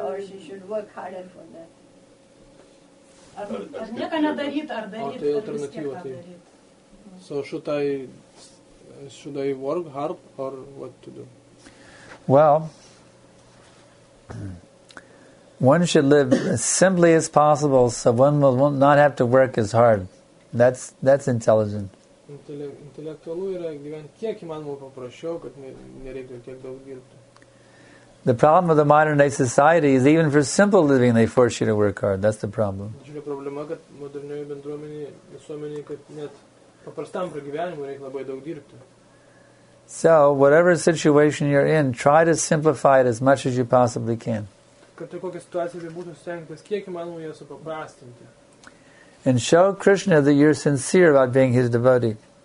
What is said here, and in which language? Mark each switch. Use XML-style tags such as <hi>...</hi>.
<en>or she should work harder for that?</en> <lt>Ar nieko nedaryt, ar daryt, ar vis tiek ką daryt?</lt> <en>So should I work hard or what to do? Well, one should live as simply as possible so one will not have to work as hard. That's intelligent.</en> <lt>Intelektualu yra gyventi kiek įmanoma paprasčiau, kad nereikia tiek daug dirbti.</lt> <en>The problem of the modern day society is even for simple living they force you to work hard. That's the problem.</en> <lt>Didžiulė problema, kad modernioje visuomenėje, kad net paprastam pragyvenimui reikia labai daug dirbti.</lt> <en>So, whatever situation you're in, try to simplify it as much as you possibly can.</en> <lt>Kad tai kokia situacija bebūtų, stengtis kiek įmanoma ją supaprastinti.</lt> <en>And show Krishna that you're sincere about being his devotee.</en>